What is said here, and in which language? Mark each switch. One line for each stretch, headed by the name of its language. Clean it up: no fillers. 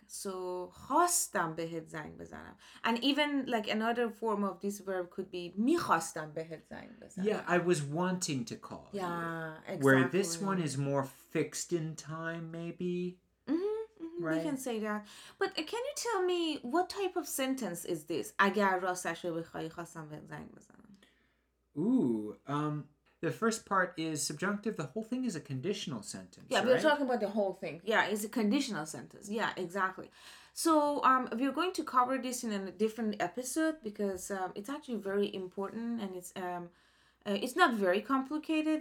Persian: So خواستم بهت زنگ بزنم.
English: And even like another form of this verb could be
Persian: میخواستم بهت زنگ بزنم.
English: Yeah, I was wanting to call. Yeah, you. Exactly. Where this one is more fixed in time, maybe. Right. We can say that. But can you tell me what type of sentence is this?
Persian: اگر راستش رو بخوای خواستم بهت زنگ بزنم.
English: Ooh, the first part is subjunctive. The whole thing is a conditional sentence. Yeah, right? We're talking about the whole thing. Yeah, it's a conditional sentence. Yeah, exactly. So we're going to cover this in a different episode because it's actually very important, and it's not very complicated.